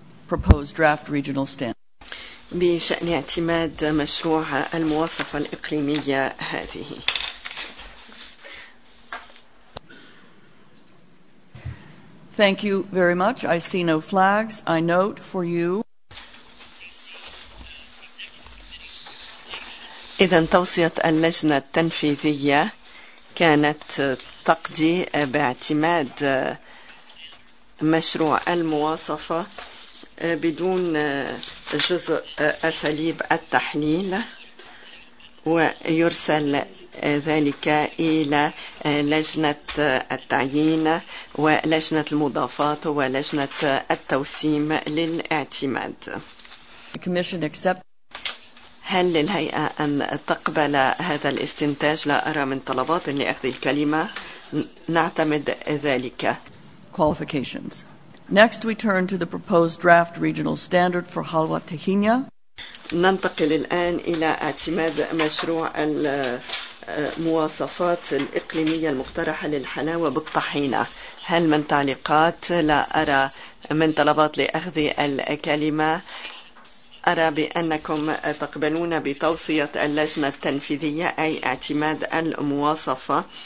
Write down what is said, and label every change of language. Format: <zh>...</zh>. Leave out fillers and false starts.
<en>proposed draft regional standard</en> <ar>بشأن اعتماد مشروع المواصفة الإقليمية هذه؟</ar> <en>Thank you very much. I see no flags. I note for you.</en> <ar>إذن توصية اللجنة التنفيذية كانت تقضي باعتماد مشروع المواصفة بدون جزء أساليب التحليل، ويرسل ذلك إلى لجنة التعيين ولجنة المضافات ولجنة التوسيم للاعتماد. هل للهيئة أن تقبل هذا الاستنتاج؟ لا أرى من طلبات لأخذ الكلمة، نعتمد ذلك.</ar> <en>Qualifications. Next, we turn to the proposed draft regional standard for Halwa Tehinia.</en> <ar>ننتقل الآن إلى اعتماد مشروع المواصفات الإقليمية المقترحة للحلاوة بالطحينة. هل من تعليقات؟ لا أرى من طلبات لأخذ الكلمة. أرى بأنكم تقبلون بتوصية اللجنة التنفيذية أي اعتماد المواصفة.</ar>